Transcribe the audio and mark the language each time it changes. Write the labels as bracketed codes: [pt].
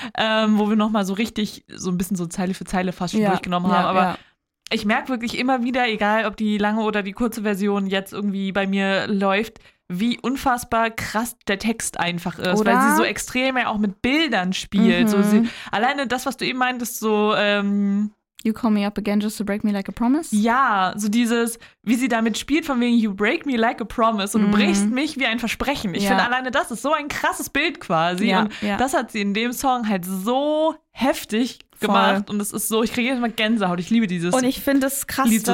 [de] Wo wir noch mal so richtig, so ein bisschen so Zeile für Zeile fast schon durchgenommen haben. Aber ich merke wirklich immer wieder, egal ob die lange oder die kurze Version jetzt irgendwie bei mir läuft, wie unfassbar krass der Text einfach ist. Oder? Weil sie so extrem ja auch mit Bildern spielt. So sie, alleine das, was du eben meintest, so [en] You call me up again just to break me like a promise? [de] Ja, so dieses, wie sie damit spielt, von wegen, [en] you break me like a promise [de] und du brichst mich wie ein Versprechen. Ich finde alleine das ist so ein krasses Bild quasi. Ja, und das hat sie in dem Song halt so heftig gemacht. Und es ist so, ich kriege jetzt mal Gänsehaut. Ich liebe dieses Und ich finde es krass, Lied so